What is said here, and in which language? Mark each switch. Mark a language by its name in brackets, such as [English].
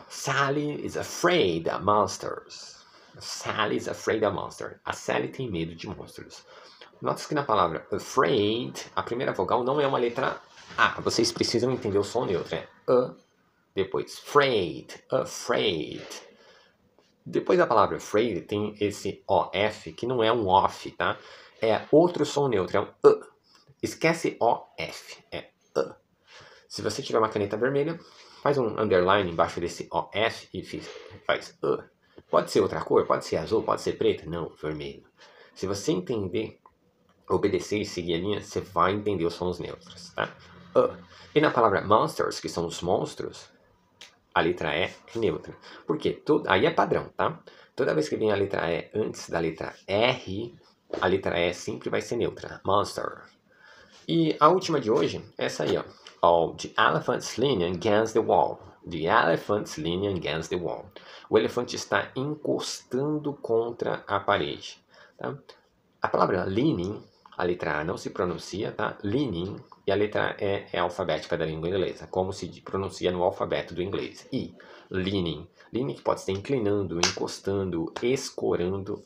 [English] Sally is afraid of monsters. Sally is afraid of monsters. [Portuguese] A Sally tem medo de monstros. Nota-se que na palavra afraid, a primeira vogal não é uma letra A. Vocês precisam entender o som neutro, é a. Depois, afraid, afraid. Depois da palavra afraid, tem esse OF, que não é um OFF, tá? É outro som neutro, é um A. Esquece OF, é A. Se você tiver uma caneta vermelha, faz um underline embaixo desse OF e faz A. Pode ser outra cor, pode ser azul, pode ser preto. Não, vermelho. Se você entender, obedecer e seguir a linha, você vai entender os sons neutros, tá? A. E na palavra monsters, que são os monstros, a letra E é neutra. Por quê? Aí é padrão, tá? Toda vez que vem a letra E antes da letra R, a letra E sempre vai ser neutra. Monster. E a última de hoje é essa aí, ó. [English] Oh, the elephant's leaning against the wall. The elephant's leaning against the wall. [Portuguese] O elefante está encostando contra a parede, tá? A palavra leaning, a letra A não se pronuncia, tá? Leaning. E a letra E é alfabética da língua inglesa, como se pronuncia no alfabeto do inglês. E, leaning. Leaning pode ser inclinando, encostando, escorando.